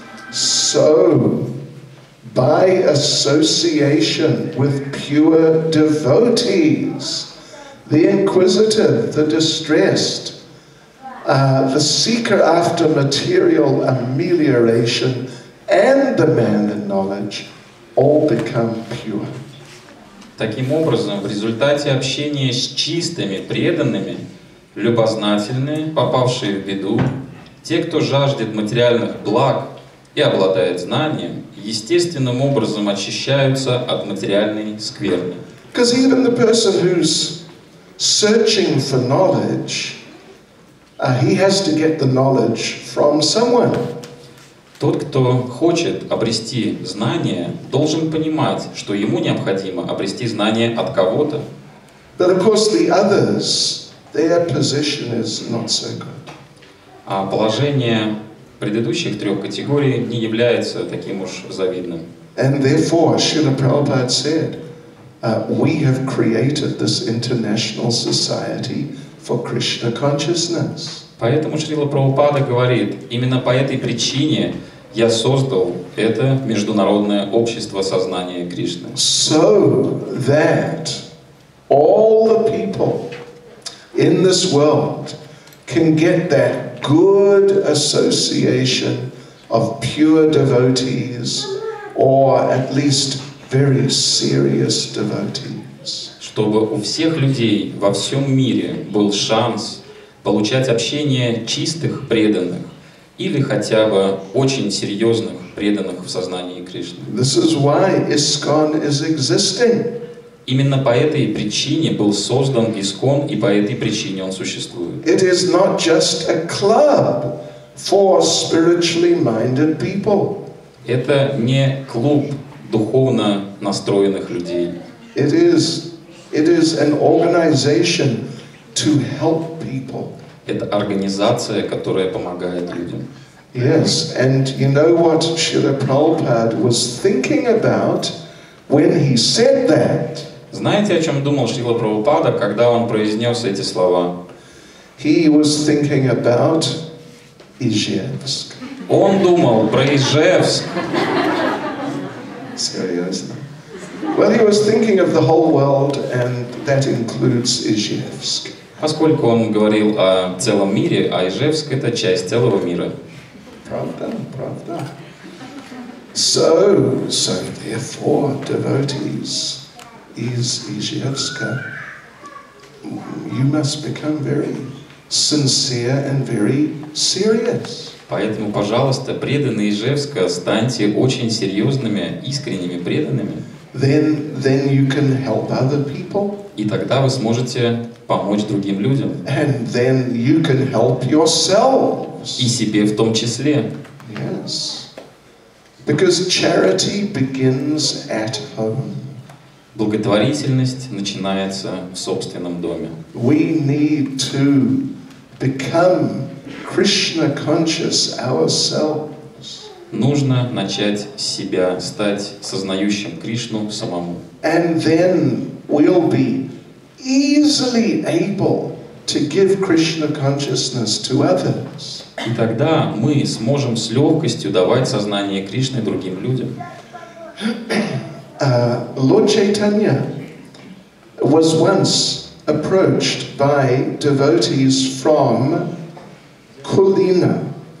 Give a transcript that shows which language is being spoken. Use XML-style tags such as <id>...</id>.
<en>So, by association with pure devotees, the inquisitive, the distressed, the seeker after material amelioration, and the man in knowledge, all become pure.</en> <ru>Таким образом, в результате общения с чистыми, преданными, любознательные, попавшие в беду, те, кто жаждет материальных благ и обладает знанием, естественным образом очищаются от материальной скверны.</ru> <en>Because even the person who's searching for knowledge, he has to get the knowledge from someone.</en> <ru>Тот, кто хочет обрести знания, должен понимать, что ему необходимо обрести знания от кого-то.</ru> <en>But of course the others, their position is not so good.</en> <ru>А положение предыдущих трех категорий не является таким уж завидным.</ru> <en>And therefore, Srila Prabhupada said, we have created this international society for Krishna consciousness.</en> <ru>Поэтому Шрила Прабхупада говорит, именно по этой причине я создал это международное общество сознания Кришны.</ru> <en>So that all the people in this world can get that good association of pure devotees, or at least very serious devotees.</en> <ru>Чтобы у всех людей во всем мире был шанс получать общение чистых преданных или хотя бы очень серьезных преданных в сознании Кришны.</ru> <en>This is why ISKCON is existing.</en> <ru>Именно по этой причине был создан ИСККОН, и по этой причине он существует.</ru> <en>It is not just a club for spiritually minded people.</en> <ru>Это не клуб духовно настроенных людей.</ru> <en>It is an organization to help people.</en> <ru>Это организация, которая помогает людям.</ru> <en>Yes, and you know what Srila Prabhupada was thinking about when he said that?</en> <ru>Знаете, о чем думал Шрила Прабхупада, когда он произнес эти слова?</ru> <en>He was thinking about Ижевск.</en> <ru>Он думал про Ижевск. Серьезно?</ru> <en>Well, he was thinking of the whole world, and that includes Ижевск.</en> <ru>Поскольку он говорил о целом мире, а Ижевск — это часть целого мира. Правда, правда.</ru> <en>So therefore, devotees, is Ижевска, you must become very sincere and very serious.</en> <ru>Поэтому, пожалуйста, преданные Ижевска, станьте очень серьезными, искренними преданными.</ru> <en>Then you can help other people.</en> <ru>И тогда вы сможете помочь другим людям.</ru> <en>And then you can help yourselves.</en> <ru>И себе в том числе.</ru> <en>Yes. Because charity begins at home.</en> <ru>Благотворительность начинается в собственном доме.</ru> <en>We need to become Krishna conscious ourselves.</en> <ru>Нужно начать с себя, стать сознающим Кришну самому.</ru> <en>And then we'll be easily able to give Krishna consciousness to others.</en> <ru>И тогда мы сможем с легкостью давать сознание Кришны другим людям.</ru> <en>Lord Chaitanya was once approached by devotees from Kulina.</en>